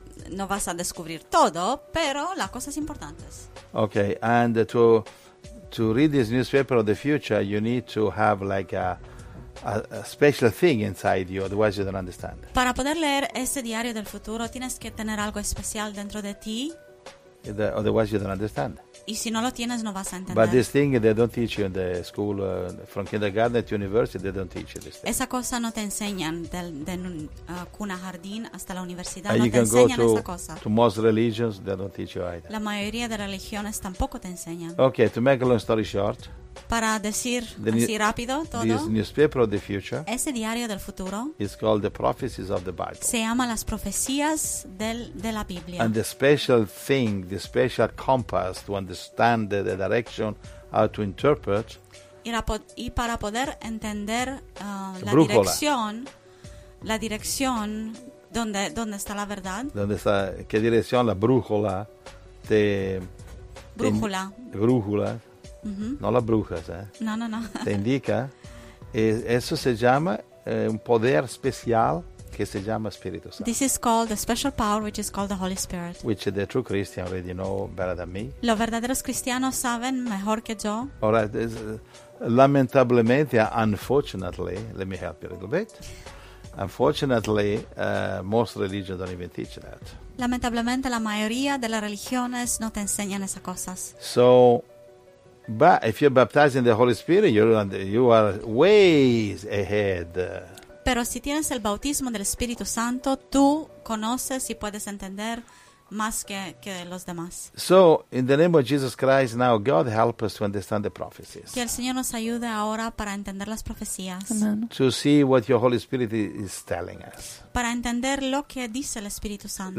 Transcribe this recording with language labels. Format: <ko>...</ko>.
<es>No vas a descubrir todo, pero las cosas importantes.</es> <en>Okay, and to read this newspaper of the future, you need to have like a special thing inside you, otherwise you don't understand.</en> <es>Para poder leer ese diario del futuro, tienes que tener algo especial dentro de ti.</es> <en>Otherwise you don't understand.</en> <es>Y si no lo tienes, no vas a entender.</es> <en>But this thing they don't teach you in the school, from kindergarten to university, they don't teach you this thing.</en> <es>Esa cosa no te enseñan de cuna jardín hasta la universidad. No te enseñan esa cosa.</es> <en>To most religions, they don't teach you either.</en> <es>La mayoría de religiones tampoco te enseñan.</es> <en>Okay, to make a long story short.</en> <es>Para decir así rápido todo.</es> <en>This newspaper of the future.</en> <es>Ese diario del futuro.</es> <en>Is called the prophecies of the Bible.</en> <es>Se llama las profecías de la Biblia.</es> <en>And the special thing, the special compass to understand the direction, how to interpret.</en> <es>Y para poder entender la dirección donde está la verdad. Donde está qué dirección la brújula de. Brújula. Brújula. Mm-hmm. Non la bruja, No. Te indica?</es> <it>E questo si chiama un potere speciale che si chiama Spirito Santo.</it> <en>This is called a special power which is called the Holy Spirit. Which the true Christian already know better than me.</en> <es>Los verdaderos cristianos saben mejor que yo. Ora, lamentablemente,</es> <en>unfortunately, let me help you a little bit. Unfortunately, most religions don't even teach that.</en> <es>Lamentablemente, la mayoría de las religiones no te enseñan esas cosas.</es> <en>So. But if you're baptized in the Holy Spirit, you are ways ahead.</en> <es>Pero si tienes el bautismo del Espíritu Santo, tú conoces y puedes entender más que los demás.</es> <en>So, in the name of Jesus Christ, now God help us to understand the prophecies.</en> <es>Que el Señor nos ayude ahora para entender las profecías.</es> <en>Amen. To see what your Holy Spirit is telling us.</en> <es>Para entender lo que dice el Espíritu Santo.</es>